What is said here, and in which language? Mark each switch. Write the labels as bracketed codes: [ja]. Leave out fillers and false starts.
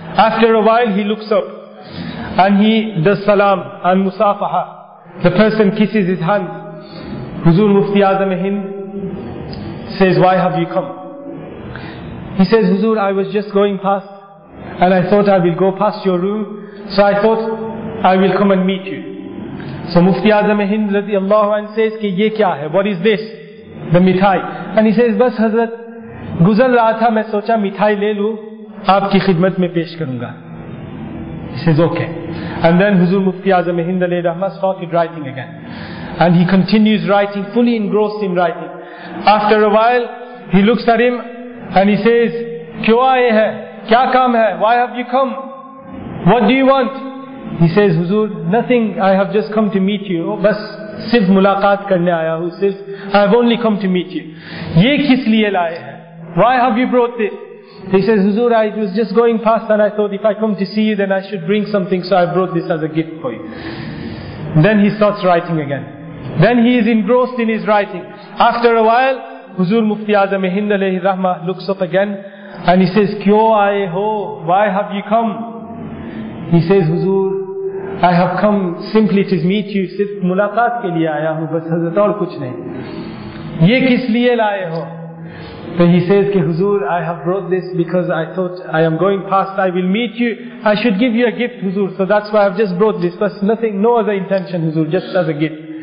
[en] After a while, he looks up and he does salam and musafaha. The person kisses his hand. Huzur Mufti Azam-e-Hind says, "Why have you come?" He says, "Huzur, I was just going past, and I thought I will go past your room, so I thought I will come and meet you." [ur] So مفتی اعظم ہند رضی اللہ عنہ says, "کی یہ کیا ہے? [en] What is this?" The mithai. And he says, [ur] "بس حضرت, گزر رہا تھا, میں سوچا مٹھائی لے لوں, آپکی خدمت میں پیش کروں گا." [en] He says, "Okay." And then Huzur Mufti Azam-e-Hind alayhi rahmah started writing again. And he continues writing, fully engrossed in writing. After a while, he looks at him and he says, [ur] "Kyo aaye hai? کیا کام ہے? [en] Why have you come? What do you want?" He says, "Huzur, nothing, I have just come to meet you. [ur] Bas sirf mulaqat karne aaya hu, sirf, [en] I have only come to meet you. [ur] یہ کس لیے لائے ہے? [en] Why have you brought this?" He says, "Huzur, I was just going past and I thought if I come to see you then I should bring something, so I brought this as a gift for you." Then he starts writing again. Then he is engrossed in his writing. After a while, Huzur Mufti Azam-e-Hind alayhi rahmah looks up again and he says, [ur] "Kyo aaye ho? [en] Why have you come?" He says, "Huzur, I have come simply to meet you. [ur] صرف ملاقات کے لیے آیا ہوں, بس حضرت, اور کچھ نہیں. یہ کس لیے لائے ہو?" [en] So he says, "Ki Huzur, I have brought this because I thought I am going past, I will meet you, I should give you a gift, Huzur, so that's why I have just brought this, but nothing, no other intention, Huzur, just as a gift."